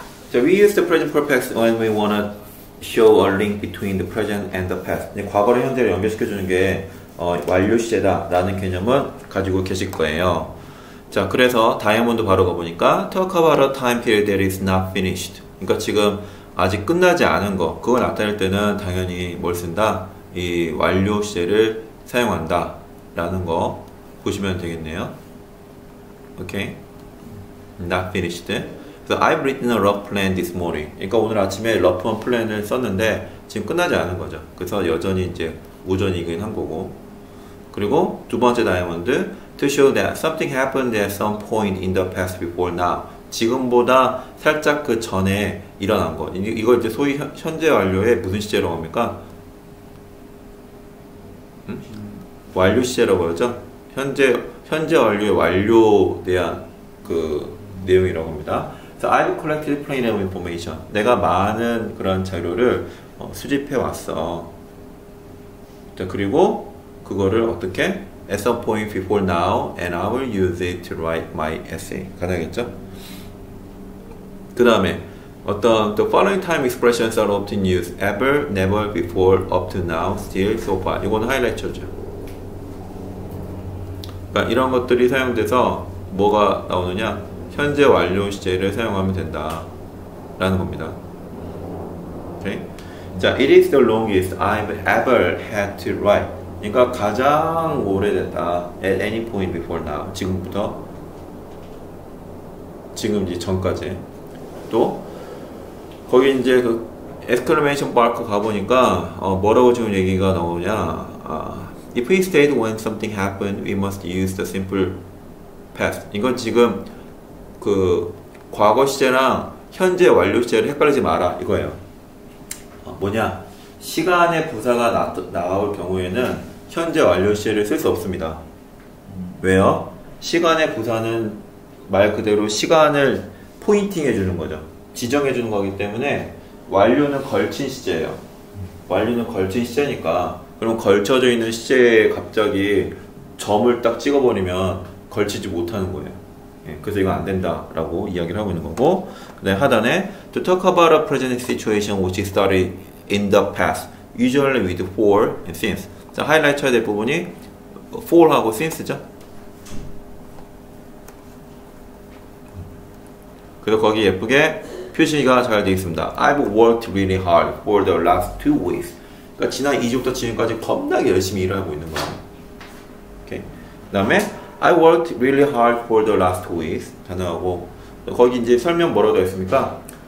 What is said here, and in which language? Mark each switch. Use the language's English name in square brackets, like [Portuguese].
[English] So we use the present perfect when we want to show a link between the present and the past. [Korean] 과거를 현재로 연결시켜주는 게 완료 시제다라는 개념은 가지고 계실 거예요. 자, 그래서 다이아몬드 바로가 보니까 [English] talk about a time period that is not finished. [Korean] 그러니까 지금 아직 끝나지 않은 거, 그걸 나타낼 때는 당연히 뭘 쓴다? 이 완료 시제를 사용한다 라는 거 보시면 되겠네요. [English] Okay, not finished. So I've written a rough plan this morning. [Korean] 그러니까 오늘 아침에 러프한 플랜을 썼는데 지금 끝나지 않은 거죠. 그래서 여전히 이제 오전이긴 한 거고. 그리고 두 번째 다이아몬드, [English] to show that something happened at some point in the past before now. [Korean] 지금보다 살짝 그 전에 일어난 거. 이걸 이제 소위 현재 완료의 무슨 시제라고 합니까? 완료 시제라고 하죠? 현재 완료의 완료에 대한 그 내용이라고 합니다. [English] So I've collected plenty of information. [Korean] 내가 많은 그런 자료를 수집해 왔어. 자, 그리고 그거를 어떻게? [English] At some point before now, and I will use it to write my essay. [Korean] 가능하겠죠? 그 다음에 어떤 [English] the following time expressions are often used: ever, never, before, up to now, still, so far. [Korean] 이건 하이라이트죠. 그러니까 이런 것들이 사용돼서 뭐가 나오느냐? 현재 완료 시제를 사용하면 된다라는 겁니다. 오케이? [English] 자, it is the longest I've ever had to write. [Korean] 그러니까 가장 오래됐다. [English] At any point before now. [Korean] 지금부터 지금 이제 전까지. 또 거기 이제 그 exclamation mark 가보니까 뭐라고 지금 얘기가 나오냐? [English] If we state when something happened, we must use the simple past. [Korean] 이건 지금 그 과거 시제랑 현재 완료 시제를 헷갈리지 마라 이거예요. 뭐냐? 시간의 부사가 나올 경우에는 현재 완료 시제를 쓸수 없습니다. 왜요? 시간의 부사는 말 그대로 시간을 포인팅해 주는 거죠. 지정해 주는 거기 때문에 완료는 걸친 시제예요. 완료는 걸친 시제니까. 그럼 걸쳐져 있는 시제에 갑자기 점을 딱 찍어버리면 걸치지 못하는 거예요. 예, 그래서 이거 안 된다라고 이야기를 하고 있는 거고. 그다음에 하단에 [English] to talk about a present situation which is started in the past, usually with for and since. [Korean] 자, 하이라이트 해야 될 부분이 for하고 since죠. 그래서 거기 예쁘게 표시가 잘 되어 있습니다. [English] I've worked really hard for the last 2 weeks. [Korean] 그러니까 지난 2주부터 지금까지 겁나게 열심히 일하고 있는 거예요. 오케이. 그다음에 [English] I worked really hard for the last 2 weeks. [Korean] 가능하고. 거기 이제 설명 뭐라고 되어 있습니까?